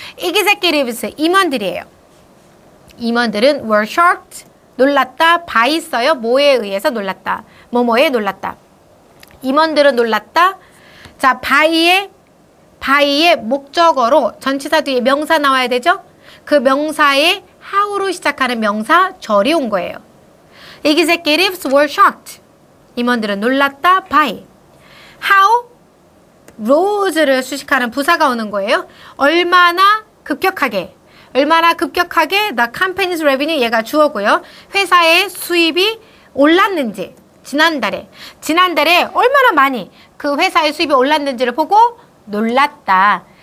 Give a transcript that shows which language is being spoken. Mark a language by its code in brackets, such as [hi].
[ko] executives 임원들이에요. 임원들은 [en] were shocked, [ko] 놀랐다, by 써요. 뭐에 의해서 놀랐다. 뭐뭐에 놀랐다. 임원들은 놀랐다. 자, by의 목적어로 전치사 뒤에 명사 나와야 되죠? 그 명사에 how로 시작하는 명사 절이 온 거예요. [en] Executives were shocked. [ko] 임원들은 놀랐다, by. How? rose를 수식하는 부사가 오는 거예요. 얼마나 급격하게. 얼마나 급격하게 [en] the company's revenue [ko] 얘가 주어고요. 회사의 수입이 올랐는지 지난달에. 지난달에 얼마나 많이 그 회사의 수입이 올랐는지를 보고 놀랐다.